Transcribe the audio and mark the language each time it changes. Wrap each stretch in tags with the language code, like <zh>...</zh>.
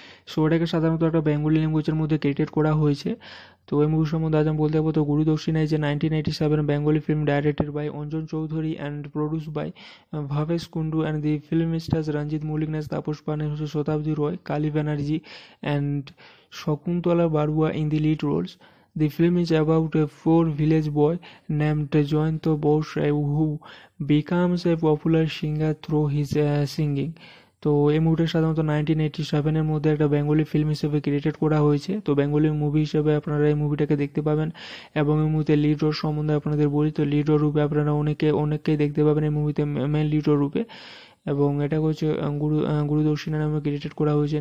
<bn>So এটাকে সাধারণত একটা বেঙ্গলি ল্যাঙ্গুয়েজের মধ্যে ক্রিয়েটেড করা হয়েছে। তো এই মুভি সম্বন্ধে আজ আমি বলতে যাবো, তো গুরুদক্ষিণায় যে 1987 Bengali film,</bn> <en>Directed by Anjan Chowdhury and produce by Bhabesh Kundu, and the film stars Ranjit Mallick, নেস তাপস পান, হচ্ছে Satabdi Roy, Kali Banerjee and Shakuntala Barua in the lead roles. The film is about a poor village boy named Jayanta Bose who becomes a popular singer through his singing.</en> <bn>তো এই মুভিটা সাধারণত 1987 মধ্যে একটা Bengali film হিসেবে created করা হয়েছে। তো বেঙ্গলি মুভি হিসেবে আপনারা এই মুভিটাকে দেখতে পাবেন। এবং এই মুভিতে লিড রোল সম্বন্ধে আপনাদের বলি, তো লিড রোল রূপে আপনারা অনেককেই দেখতে পাবেন এই মুভিতে মেন লিড রোল রূপে। এবং এটা হচ্ছে গুরুদক্ষিণা নামে ক্রিয়েটেড করা হয়েছে।</bn>